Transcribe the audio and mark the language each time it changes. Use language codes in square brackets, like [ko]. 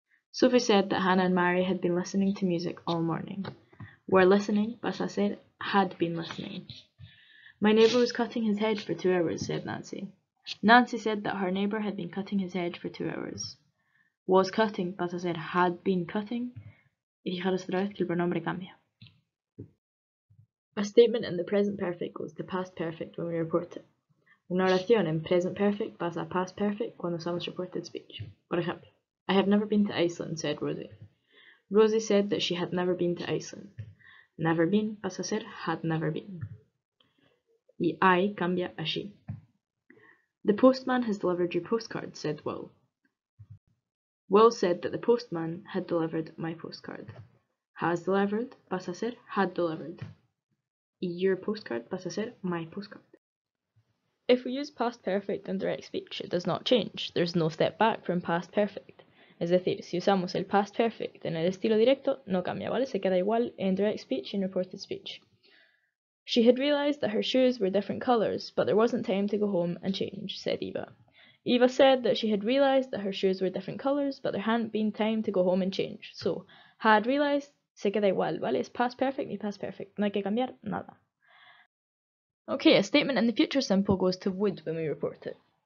[en] Sophie said that Hannah and Mary had been listening to music all morning. Were listening, [es] pasa a ser, [en] had been listening. My neighbour was cutting his hedge for 2 hours, said Nancy. Nancy said that her neighbour had been cutting his hedge for 2 hours. Was cutting, [es] pasa a ser, [en] had been cutting. [es] Y fijaros otra vez que el pronombre cambia. [en] A statement in the present perfect goes to past perfect when we report it. [es] Una oración en present perfect pasa a past perfect cuando usamos reported speech. Por ejemplo, [en] I have never been to Iceland, said Rosie. Rosie said that she had never been to Iceland. Never been [es] pasa a ser [en] had never been. [es] Y I cambia a she. [en] The postman has delivered your postcard, said Will. Will said that the postman had delivered my postcard. Has delivered [es] pasa a ser [en] had delivered. Your postcard pasa a ser my postcard. If we use past perfect in direct speech, it does not change. There's no step back from past perfect. [es] Es decir, si usamos el past perfect en el estilo directo, no cambia, ¿vale? Se queda igual en direct speech y en reported speech. [en] She had realized that her shoes were different colors, but there wasn't time to go home and change, said Eva. Eva said that she had realized that her shoes were different colors, but there hadn't been time to go home and change. So, had realized, [es] se queda igual, ¿vale? Es past perfect y past perfect. No hay que cambiar nada. [en] Okay, a statement in the future simple goes to would when we report it.